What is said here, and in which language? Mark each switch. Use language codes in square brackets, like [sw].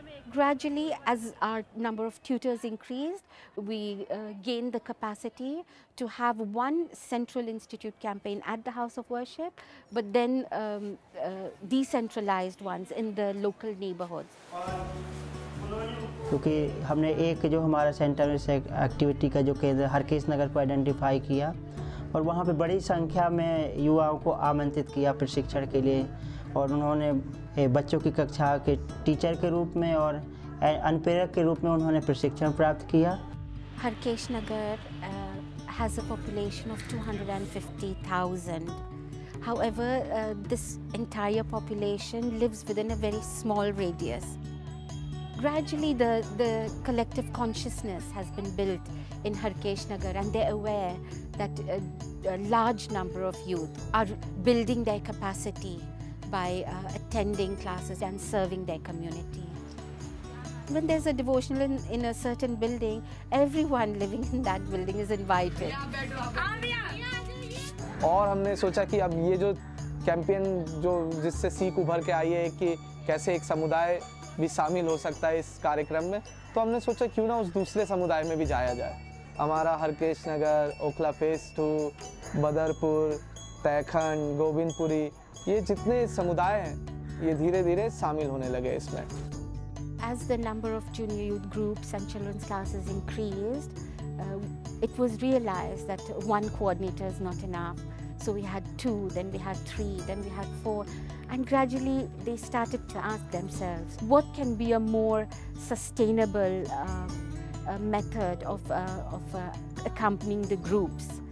[en] Gradually, as our number of tutors increased, we gained the capacity to have one central institute campaign at the house of worship, but then decentralized ones in the local neighborhoods. [hi] क्योंकि हमने एक जो हमारा centre में से activity का जो केंद्र हरकेश नगर को आइडेंटिफाई किया और वहां पे बड़ी संख्या में युवाओं को आमंत्रित किया प्रशिक्षण के लिए और उन्होंने बच्चों की कक्षा के टीचर के रूप में और अनप्रेरक के रूप में उन्होंने प्रशिक्षण प्राप्त किया [en] Harkesh Nagar has a population of 250,000 however this entire population lives within a very small radius gradually the collective consciousness has been built in Harkesh Nagar, and they're aware that a large number of youth are building their capacity by attending classes and serving their community. When there's a devotional in a certain building, everyone living in that building is invited. [hi] और हमने सोचा कि अब ये जो campaign जो जिससे सीख उभर के आई है कि कैसे एक समुदाय भी शामिल हो सकता है इस कार्यक्रम में, तो हमने सोचा क्यों ना उस दूसरे समुदाय में भी जाया जाए. हमारा हरकेश नगर, ओखला फेस टू, बदरपुर, तैखंड, गोविंदपुरी, ये जितने समुदाय हैं ये धीरे धीरे शामिल होने लगे इसमें. [en] As the number of junior youth groups and children's classes increased, it was realized that one coordinator is not enough. So we had two, then we had three, then we had four. And gradually they started to ask themselves, what can be a more sustainable method of accompanying the groups?